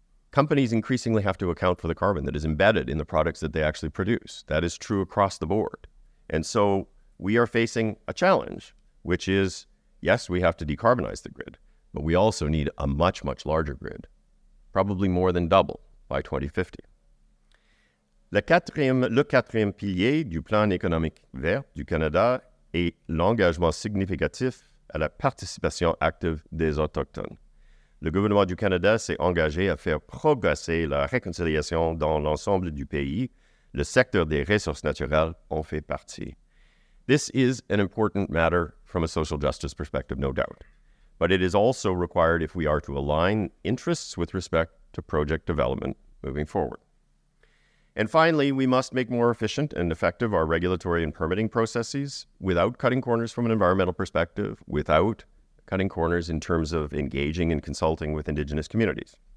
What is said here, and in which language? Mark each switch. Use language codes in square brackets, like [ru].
[en] Companies increasingly have to account for the carbon that is embedded in the products that they actually produce. That is true across the board. And so we are facing a challenge, which is, yes, we have to decarbonize the grid, but we also need a much, much larger grid, probably more than double by 2050. [fr] Le quatrième pilier du plan économique vert du Canada est l'engagement significatif à la participation active des autochtones. Le gouvernement du Canada s'est engagé à faire progresser la réconciliation dans l'ensemble du pays. Le secteur des ressources naturelles en fait partie. [en] This is an important matter from a social justice perspective, no doubt. But it is also required if we are to align interests with respect to project development moving forward. And finally, we must make more efficient and effective our regulatory and permitting processes without cutting corners from an environmental perspective, without cutting corners in terms of engaging and consulting with Indigenous communities.